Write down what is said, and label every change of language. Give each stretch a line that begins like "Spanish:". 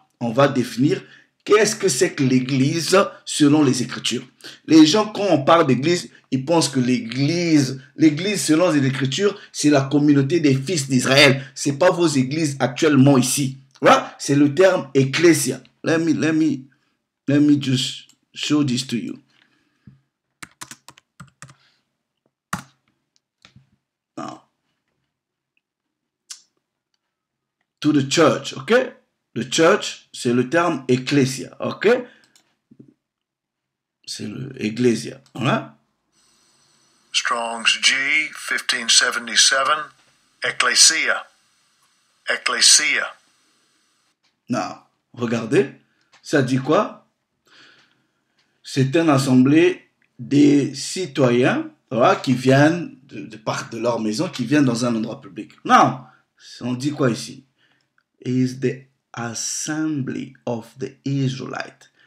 French: On va définir qu'est-ce que c'est que l'Église selon les Écritures. Les gens, quand on parle d'Église, ils pensent que l'Église selon les Écritures, c'est la communauté des fils d'Israël. Ce n'est pas vos églises actuellement ici. Voilà, c'est le terme ecclésia.
English: Let me just show this to you. Now. To the church, ok? The church,
French: c'est le terme ecclesia,
English: ok?
French: C'est le ecclesia, voilà.
English: Strong's G, 1577, ecclesia, ecclesia.
French: Now, regardez, ça dit quoi? C'est une assemblée des citoyens, voilà, qui viennent de part de leur maison, qui viennent dans un endroit public. Non, on dit quoi ici?
English: Is the Assembly of the Israelites.